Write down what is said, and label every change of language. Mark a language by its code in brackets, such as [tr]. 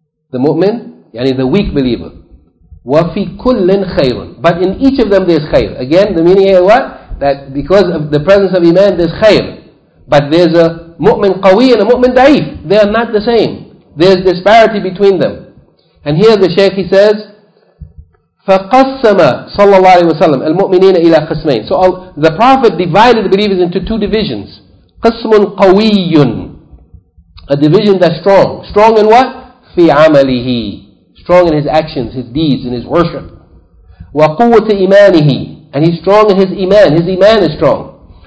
[en] The mu'min, yani the weak believer, [ar] wa fi kullin khayrun, [en] but in each of them there is khayr. Again, the meaning here is what? That because of the presence of iman, there's khayr. But there's a mu'min qawi and a mu'min da'if. They are not the same. There's disparity between them. And here the shaykh, he says, [ar] فَقَسَّمَ صَلَّى اللَّهُ عَلَيْهِ وَسَلَّمَ الْمُؤْمِنِينَ إِلَى قِسْمَيْنَ. [en] So the Prophet divided the believers into two divisions. [ar] قِسْمٌ قَوِيٌّ, [en] a division that's strong. Strong in what? [ar] فِي عَمَلِهِ, [en] strong in his actions, his deeds, in his worship. [ar] وَقُوَّةِ إِمَانِهِ, [en] and he's strong in his iman. His iman is strong.